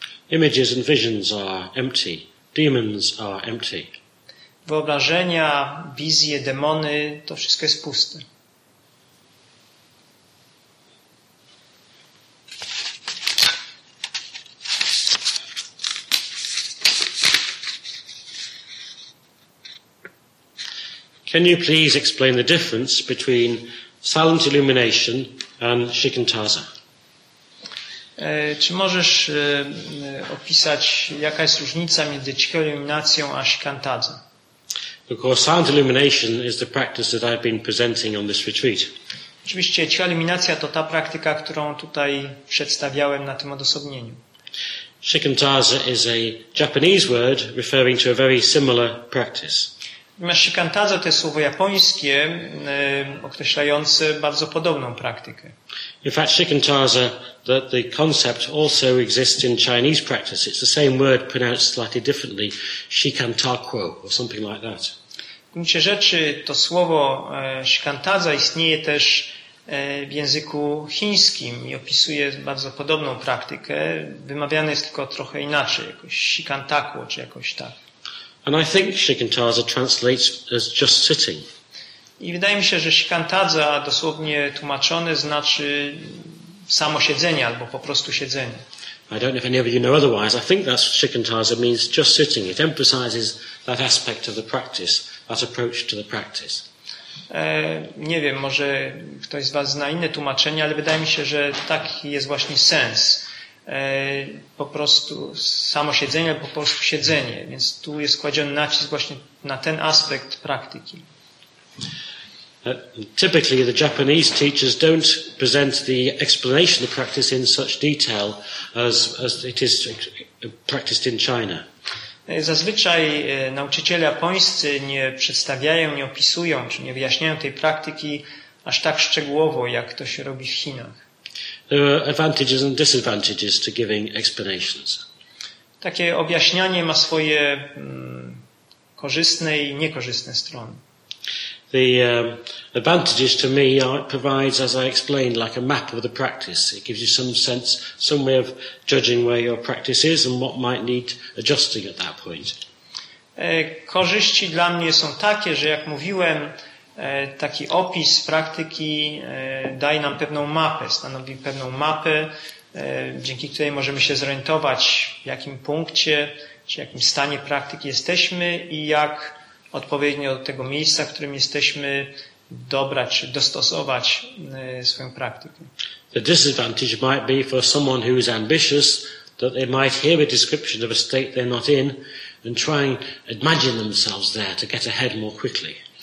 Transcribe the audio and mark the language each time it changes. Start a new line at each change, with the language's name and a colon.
English: Images and visions are empty. Demons are empty.
Polish: Wyobrażenia, wizje, demony, to wszystko jest puste.
English: Can you please explain the difference between silent illumination and shikantaza?
Polish: Czy możesz opisać, jaka jest różnica między cichą iluminacją a shikantaza?
English: Because silent illumination is the practice that I've been presenting on this retreat.
Polish: Oczywiście cicha iluminacja to ta praktyka, którą tutaj przedstawiałem na tym odosobnieniu.
English: Shikantaza is a Japanese word referring to a very similar practice.
Polish: Shikantaza to jest słowo japońskie określające bardzo podobną praktykę.
English: In fact, shikantaza, that the concept also exists in Chinese practice. It's the same word pronounced slightly differently, shikantakuo or something like that.
Polish: W gruncie rzeczy to słowo shikantaza istnieje też w języku chińskim i opisuje bardzo podobną praktykę. Wymawiane jest tylko trochę inaczej, jakoś shikantakuo czy jakoś tak.
English: And I think shikantaza translates as just sitting.
Polish: I wydaje mi się, że shikantaza dosłownie tłumaczone znaczy samo siedzenie albo po prostu siedzenie.
English: I don't know if any of you know otherwise. I think that shikantaza means just sitting. It emphasizes that aspect of the practice, that approach to the practice.
Polish: Nie wiem, może ktoś z was zna inne tłumaczenie, ale wydaje mi się, że taki jest właśnie sens. Po prostu samo siedzenie, albo po prostu siedzenie. Więc tu jest kładziony nacisk właśnie na ten aspekt praktyki.
English: Typically the Japanese teachers don't present the explanation of practice in such detail as it is practiced in China.
Polish: Zazwyczaj nauczyciele japońscy nie przedstawiają, nie opisują, czy nie wyjaśniają tej praktyki aż tak szczegółowo, jak to się robi w Chinach.
English: There are advantages and disadvantages to giving explanations.
Polish: Takie objaśnianie ma swoje korzystne i niekorzystne strony.
English: The advantages to me are it provides, as I explained, like a map of the practice. It gives you some sense, some way of judging where your practice is and what might need adjusting at that point.
Polish: Korzyści dla mnie są takie, że jak mówiłem, taki opis praktyki daje nam pewną mapę, stanowi pewną mapę, dzięki której możemy się zorientować, w jakim punkcie czy jakim stanie praktyki jesteśmy i jak odpowiednio do tego miejsca, w którym jesteśmy, dobrać, dostosować swoją praktykę.
English: The disadvantage might be for someone who is ambitious that they might hear a description of a state they're not in and try and imagine themselves there to get ahead more quickly.